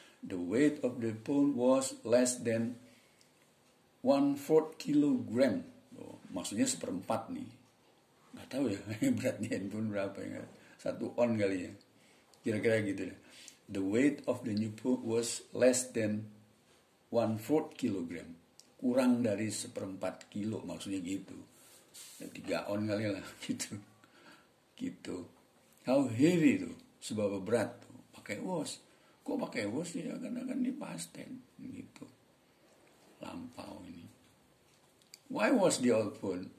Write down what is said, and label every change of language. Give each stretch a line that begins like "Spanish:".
English: The weight of the phone was less than 1/4 kilogram.
Indonesian: Oh, maksudnya seperempat nih. Gak tahu ya beratnya handphone berapa ya. Satu on kali ya. Kira-kira gitu ya.
English: The weight of the new phone was less than 1/4 kilogram.
Indonesian: Kurang dari 1/4 kilo, maksudnya gitu. Ya, 3 on kali lah gitu. Gitu.
English: How heavy
Indonesian: itu? Seberapa berat tuh? Pakai was. Kok pakai was sih? Ya? Karena kan ini past tense gitu. Lampau ini.
English: Why was the old phone?